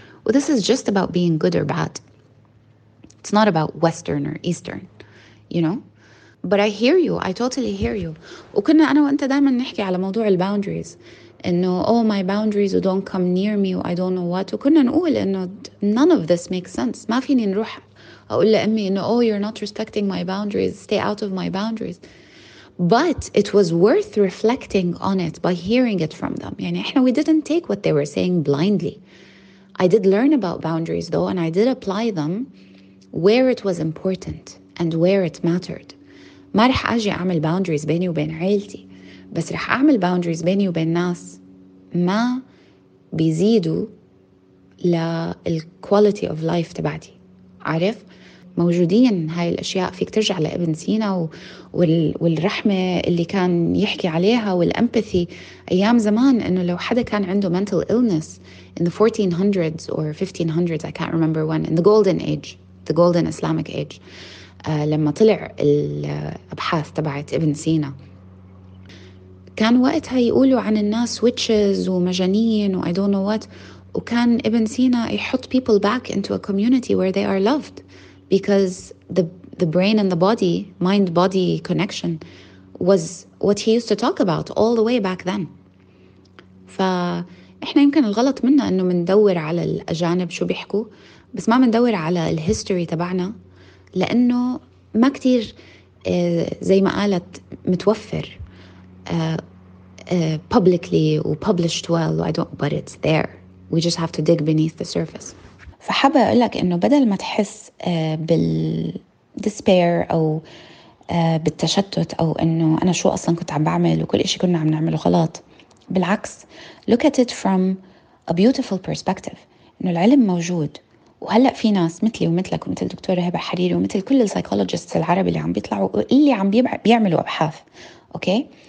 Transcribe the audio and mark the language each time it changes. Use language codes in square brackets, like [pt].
[en] This is just about being good or bad. It's not about Western or Eastern, you know. But I hear you. I totally hear you. [ar] وكنا أنا وأنت دائما نحكي على موضوع ال boundaries. [en] إنه oh my boundaries don't come near me. I don't know what. [ar] وكنا نقول إنه [en] none of this makes sense. [ar] ما فيني نروح أقول لأمي إنه [en] oh you're not respecting my boundaries. Stay out of my boundaries. But it was worth reflecting on it by hearing it from them. [ar] يعني إحنا [en] we didn't take what they were saying blindly. I did learn about boundaries though, and I did apply them where it was important and where it mattered. [ar] ما رح أجي أعمل boundaries بيني وبين عيلتي، بس رح أعمل boundaries بيني وبين ناس ما بيزيدوا للquality of life تبعتي. عارف موجودين هاي الأشياء، فيك ترجع لابن سينا والرحمة اللي كان يحكي عليها والempathy أيام زمان، إنه لو حدا كان عنده [en] mental illness in the 1400s or 1500s, I can't remember when, in the golden age, the golden Islamic age. [ar] لما طلع الأبحاث تبعت ابن سينا، كان وقتها يقولوا عن الناس witches ومجانين و [en] I don't know what، [ar] وكان ابن سينا يحط [en] people back into a community where they are loved because the brain and the body, mind-body connection was what he used to talk about all the way back then. [ar] فإحنا يمكن الغلط منا أنه مندور على الأجانب شو بيحكوا بس ما مندور على الهيستوري تبعنا لأنه ما كتير زي ما قالت متوفر publicly و [en] published well but it's there. We just have to dig beneath the surface. [ar] فحابة أقولك أنه بدل ما تحس بالdespair أو بالتشتت أو أنه أنا شو أصلاً كنت عم بعمل وكل إشي كنا عم نعمله غلط بالعكس [en] look at it from a beautiful perspective [ar] أنه العلم موجود وهلأ في ناس مثلي ومثلك ومثل دكتورة هبة حريري ومثل كل psychologists العرب اللي عم بيطلعوا واللي عم بيعملوا أبحاث أوكي